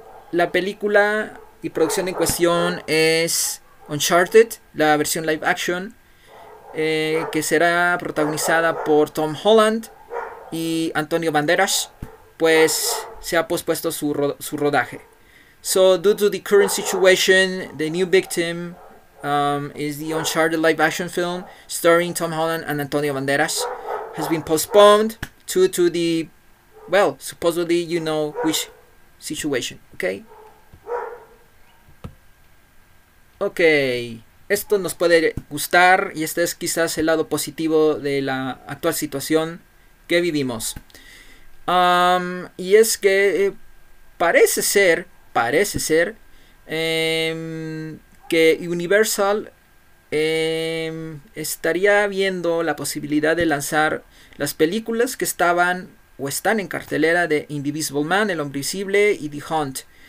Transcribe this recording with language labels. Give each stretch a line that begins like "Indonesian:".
Spanish: La película y producción en cuestión es Uncharted, la versión live action, que será protagonizada por Tom Holland y Antonio Banderas, pues se ha pospuesto su rodaje.
English: So, due to the current situation, the new victim is the Uncharted live action film starring Tom Holland and Antonio Banderas. Has been postponed due to the, well, supposedly you know which situation, okay?
Spanish: Ok, esto nos puede gustar y este es quizás el lado positivo de la actual situación que vivimos. Y es que parece ser que Universal estaría viendo la posibilidad de lanzar las películas que estaban o están en cartelera de Invisible Man, El Hombre Invisible y The Hunt.